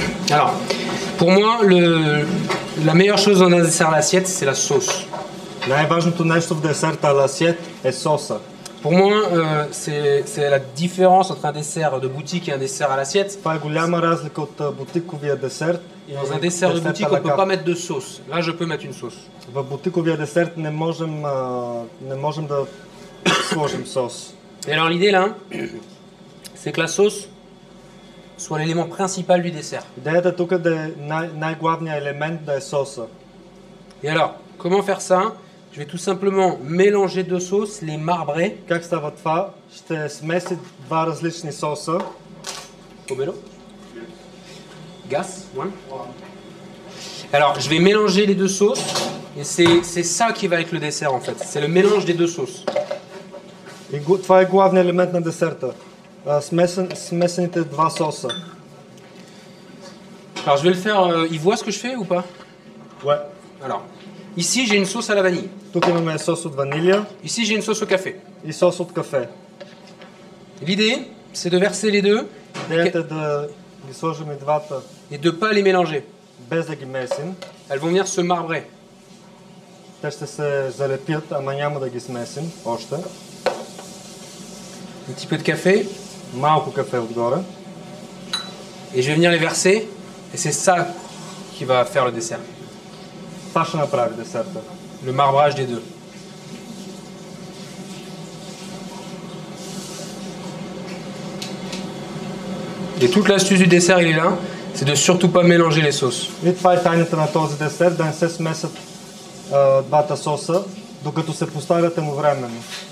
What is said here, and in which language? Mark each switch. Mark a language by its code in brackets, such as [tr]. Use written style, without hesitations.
[fr] Alors, pour moi, la meilleure chose dans un dessert à l'assiette, c'est la sauce. [bg] Най-важното нещо в десерт [fr] à l'assiette est sauce. Pour moi, c'est la différence entre un dessert de boutique et un dessert à l'assiette. [bg] Това е голяма разлика от бутиковия десерт. [fr] Dans un dessert de boutique, on ne peut pas mettre de sauce. Là, je peux mettre une sauce. [bg] В бутиковия десерт не можем да сложим сос. [fr] Et alors, l'idée là, c'est que la sauce soit l'élément principal du dessert. [bg] Идеята тук е най-главният елемент да е соса. [fr] Et alors, comment faire ça? Je vais tout simplement mélanger deux sauces, les marbrer. [bg] Как става това? Ще смеси два различни соса. Pomelo? Gas? One? [fr] Alors, je vais mélanger les deux sauces. Et c'est ça qui va avec le dessert, en fait. C'est le mélange des deux sauces. [bg] Et това е главният елемент на десерта. Смесените два соса. [fr] Alors, je vais le faire. Il voit ce que je fais ou pas? Ouais. Alors, ici j'ai une sauce à la vanille. [bg] Тук имаме сос от ванилия. [fr] Ici j'ai une sauce au café. [bg] И сос от кафе. [fr] L'idée, c'est de verser les deux. [bg] Идеята е да ги сложим и двата. [fr] Et de pas les mélanger. [bg] Без да ги месим. [fr] Elles vont venir se marbrer. [bg] Те ще се залепят, ама няма да ги смесим още. [fr] Un petit peu de café. [bg] Малко кафе отгоре. [fr] Et je vais venir les verser. Et c'est ça qui va faire le dessert. [bg] Това ще направи десерта. [fr] Le marbrage des deux. Et toute l'astuce du dessert, il est là. C'est de surtout pas mélanger les sauces. [bg] Et това е тайната на този десерт, да не се смесят двата соса, докато се поставят едновременно.